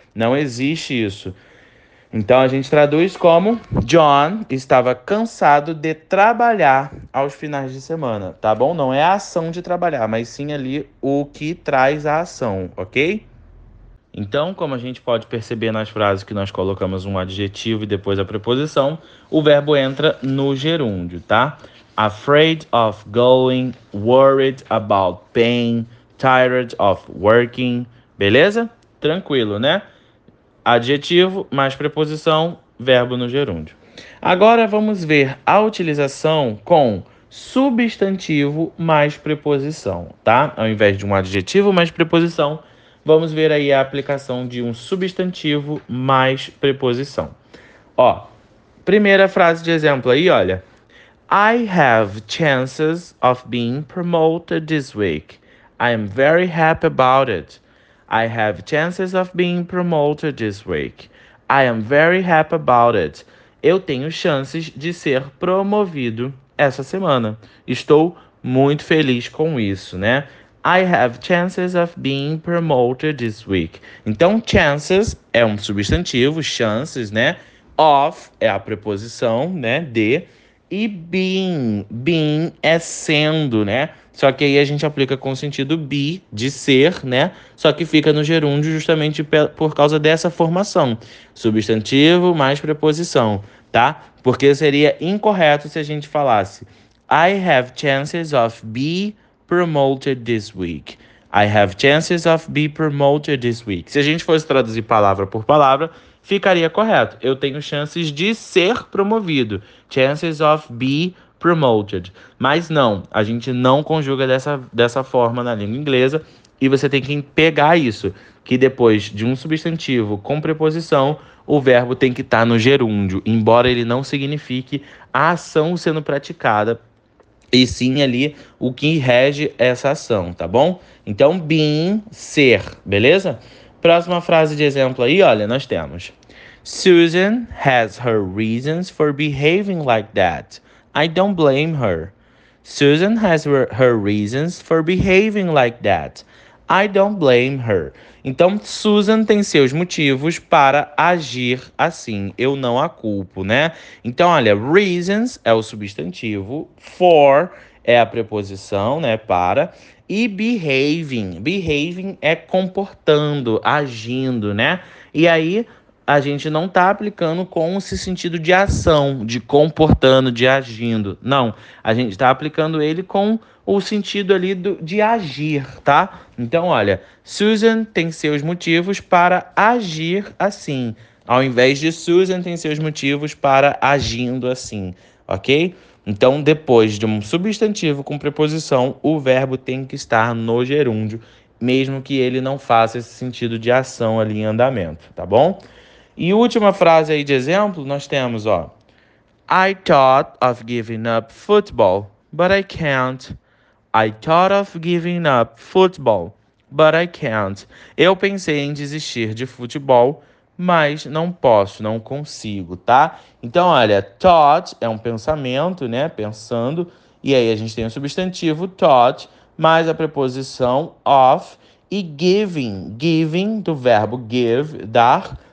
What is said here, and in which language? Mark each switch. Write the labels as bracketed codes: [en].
[pt] Não existe isso. Então a gente traduz como John estava cansado de trabalhar aos finais de semana, tá bom? Não é a ação de trabalhar, mas sim ali o que traz a ação, ok? Então, como a gente pode perceber nas frases que nós colocamos um adjetivo e depois a preposição, o verbo entra no gerúndio, tá? [en] Afraid of going, worried about pain, tired of working. [pt] Beleza? Tranquilo, né? Adjetivo mais preposição, verbo no gerúndio. Agora vamos ver a utilização com substantivo mais preposição, tá? Ao invés de um adjetivo mais preposição, vamos ver aí a aplicação de um substantivo mais preposição. Ó, primeira frase de exemplo aí, olha. [en] I have chances of being promoted this week. I am very happy about it. I have chances of being promoted this week. I am very happy about it. [pt] Eu tenho chances de ser promovido essa semana. Estou muito feliz com isso, né? [en] I have chances of being promoted this week. [pt] Então, chances é um substantivo, chances, né? Of é a preposição, né? De. E being é sendo, né? Só que aí a gente aplica com o sentido be, de ser, né? Só que fica no gerúndio justamente por causa dessa formação. Substantivo mais preposição, tá? Porque seria incorreto se a gente falasse [en] I have chances of be promoted this week. I have chances of be promoted this week. [pt] Se a gente fosse traduzir palavra por palavra, ficaria correto. Eu tenho chances de ser promovido. [en] Chances of be promoted. [pt] Mas não, a gente não conjuga dessa forma na língua inglesa. E você tem que pegar isso, que depois de um substantivo com preposição, o verbo tem que estar no gerúndio, embora ele não signifique a ação sendo praticada, e sim ali o que rege essa ação, tá bom? Então, being, ser, beleza? Próxima frase de exemplo aí, olha, nós temos. [en] Susan has her reasons for behaving like that. I don't blame her. Susan has her reasons for behaving like that. I don't blame her. [pt] Então, Susan tem seus motivos para agir assim. Eu não a culpo, né? Então, olha, reasons é o substantivo, for é a preposição, né? Para. E behaving. Behaving é comportando, agindo, né? E aí. A gente não está aplicando com esse sentido de ação, de comportando, de agindo. Não. A gente está aplicando ele com o sentido ali de agir, tá? Então, olha, Susan tem seus motivos para agir assim, ao invés de Susan tem seus motivos para agindo assim, ok? Então, depois de um substantivo com preposição, o verbo tem que estar no gerúndio, mesmo que ele não faça esse sentido de ação ali em andamento, tá bom? E última frase aí de exemplo, nós temos, ó. I thought of giving up football, but I can't. I thought of giving up football, but I can't. Eu pensei em desistir de futebol, mas não posso, não consigo, tá? Então, olha, thought é um pensamento, né? Pensando. E aí a gente tem o substantivo thought, mais a preposição of. E giving, do verbo give, dar.